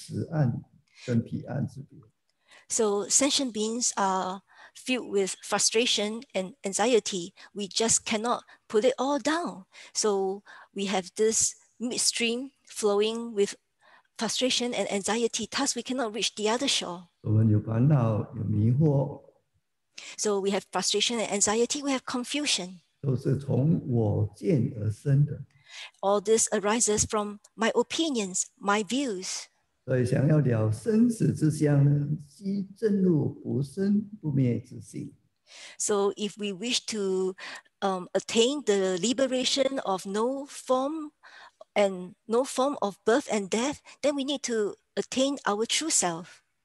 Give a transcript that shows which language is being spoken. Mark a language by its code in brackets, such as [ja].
[zh] 可是众生有烦恼，我们放不下，我们有这个中流各自铸成有此岸跟彼岸之别. [en] So sentient beings are filled with frustration and anxiety. We just cannot put it all down. So we have this midstream flowing with frustration and anxiety. Thus, we cannot reach the other shore. [zh] 我们有烦恼，有迷惑. [en] So we have frustration and anxiety, we have confusion. [zh] 都是从我见而生的. [en] All this arises from my opinions, my views. [zh] 所以想要了生死之相，即证入不生不灭之性. [en] So if we wish to attain the liberation of no form and no form of birth and death, then we need to attain our true self.